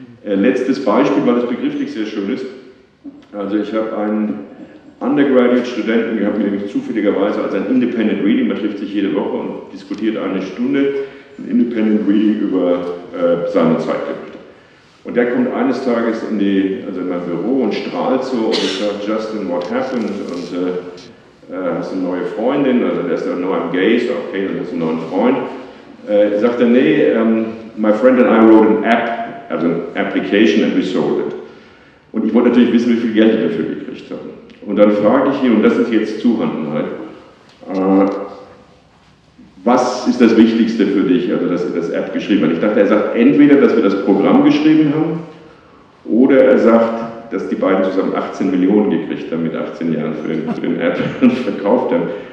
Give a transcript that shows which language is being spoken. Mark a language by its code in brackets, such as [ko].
[de] Letztes Beispiel, weil es begrifflich sehr schön ist, also ich habe einen Undergraduate-Studenten gehabt, mit dem ich zufälligerweise als ein Independent Reading, man trifft sich jede Woche und diskutiert eine Stunde, ein Independent Reading über seine Zeitgeschichte. Und der kommt eines Tages in, die, also in mein Büro und strahlt so und ich sage, Justin, [en] what happened? [de] Und hast du eine neue Freundin? Also der ist ja neu am Gay, so okay, dann hast du einen neuen Freund. Sagt er, nee, [en] my friend and I wrote an app, [de] also an application and we sold it. Und ich wollte natürlich wissen, wie viel Geld ich dafür gekriegt habe. Und dann frage ich ihn, und das ist jetzt Zuhandenheit, was ist das Wichtigste für dich, also dass er das App geschrieben hat? Ich dachte, er sagt entweder, dass wir das Programm geschrieben haben, oder er sagt, dass die beiden zusammen 18 Millionen gekriegt haben mit 18 Jahren für den App und verkauft haben.